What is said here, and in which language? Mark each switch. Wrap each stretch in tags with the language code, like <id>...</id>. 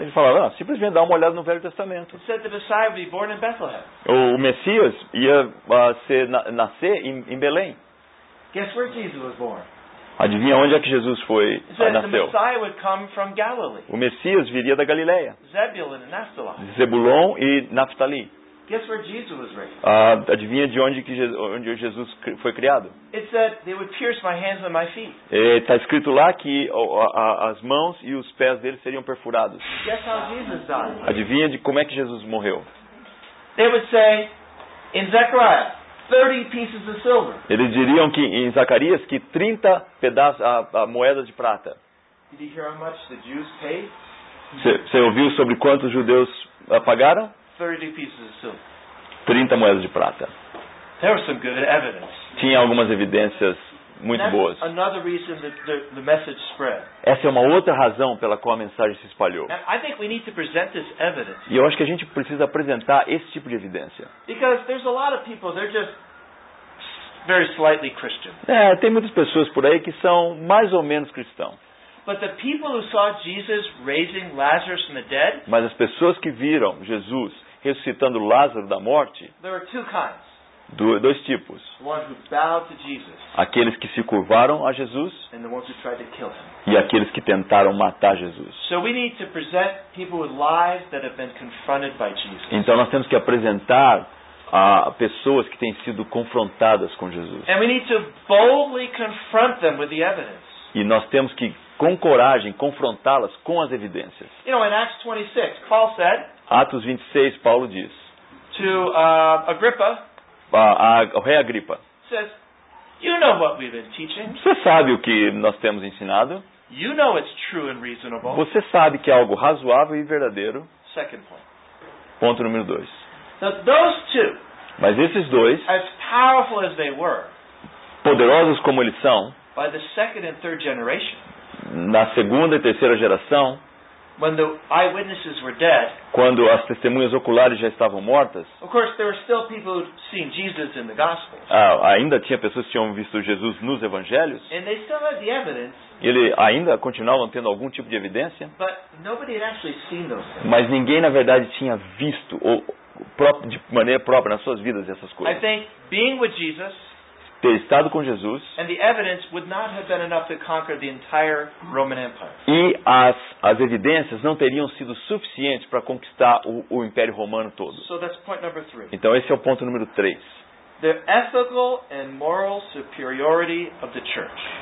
<pt>Ele falava, ah, simplesmente dá uma olhada no Velho Testamento.</pt> <en>It said the Messiah would be born in Bethlehem.</en> <pt>O Messias ia nascer em Belém.</pt> <en>Guess where Jesus was born?</en> <pt>Adivinha onde é que Jesus foi, nasceu?</pt> <en>The Messiah would come from Galilee.</en> <pt>O Messias viria da Galileia.</pt> <en>Zebulun and Naphtali.</en> <pt>Zebulon e Naphtali.</pt> <en>Guess where Jesus was raised.</en> <pt>Adivinha de onde, onde Jesus foi criado?</pt> <en>It said they would pierce my hands and my feet.</en> <pt>Está escrito lá que as mãos e os pés dele seriam perfurados.</pt> <en>Guess how Jesus died.</en> <pt>Adivinha de como é que Jesus morreu?</pt> <en>They would say in Zechariah. 30 pieces of silver.</en> <pt>Eles diriam que em Zacarias que 30 pedaços a moeda de prata.</pt> <en>Did you hear how much the Jews paid?</en> <pt>Você ouviu sobre quanto os judeus pagaram?</pt> <en>30 pieces of silver.</en> <pt>30 moedas de prata.</pt> <en>There was some good evidence.</en> <pt>Tinha algumas evidências muito boas.</pt> <en>Another reason that the message spread.</en> <pt>Essa é uma outra razão pela qual a mensagem se espalhou.</pt> <en>Now, I think we need to present this evidence.</en> <pt>E eu acho que a gente precisa apresentar esse tipo de evidência.</pt> <en>Because there's a lot of people, they're just very slightly Christian.</en> <pt>É, tem muitas pessoas por aí que são mais ou menos cristãos.</pt> <en>But the people who saw Jesus raising Lazarus from the dead,</en> <pt>mas as pessoas que viram Jesus ressuscitando Lázaro da morte,</pt> <en>there are two kinds.</en> <pt>Dois tipos.</pt> <en>One who bowed to Jesus,</en> <pt>aqueles que se curvaram a Jesus,</pt> <en>and the ones who tried to kill him.</en> <pt>E aqueles que tentaram matar Jesus.</pt> <en>So we need to present people with lives that have been confronted by Jesus.</en> <pt>Então nós temos que apresentar a pessoas que têm sido confrontadas com Jesus.</pt> <en>And we need to boldly confront them with the evidence.</en> <pt>E nós temos que com coragem confrontá-las com as evidências.</pt> <en>You know, in Acts 26, Paul said,</en> <pt>Atos 26, Paulo diz</pt> <en>to Agrippa,</en> <pt>o rei Agripa,</pt> <en>says, you know what we've been teaching.</en> <pt>Você sabe o que nós temos ensinado.</pt> <en>You know it's true and reasonable.</en> <pt>Você sabe que é algo razoável e verdadeiro.</pt> <en>Second point.</en> <pt>Ponto número 2.</pt> <en>Now, those two,</en> <pt>mas esses dois,</pt> <en>as powerful as they were,</en> <pt>poderosos como eles são,</pt> <en>by the second and third generation,</en> <pt>na segunda e terceira geração,</pt> <en>when the eyewitnesses were dead,</en> <pt>quando as testemunhas oculares já estavam mortas,</pt> <en>of course, there were still people who'd seen Jesus in the Gospels.</en> <pt>Ainda tinha pessoas que tinham visto Jesus nos Evangelhos,</pt> <en>and they still had the evidence,</en> <pt>ele ainda continuava tendo algum tipo de evidência,</pt> <en>but nobody had actually seen those things.</en> <pt>Mas ninguém, na verdade, tinha visto ou de maneira própria nas suas vidas essas coisas.</pt> <en>I think being with Jesus,</en> <pt>ter estado com Jesus,</pt> <en>and the evidence would not have been enough to conquer the entire Roman Empire.</en> <pt>E as evidências não teriam sido suficientes para conquistar o Império Romano todo.</pt> <en>So that's point number three.</en> <pt>Então esse é o ponto número 3.</pt> <en>The ethical and moral superiority of the church.</en>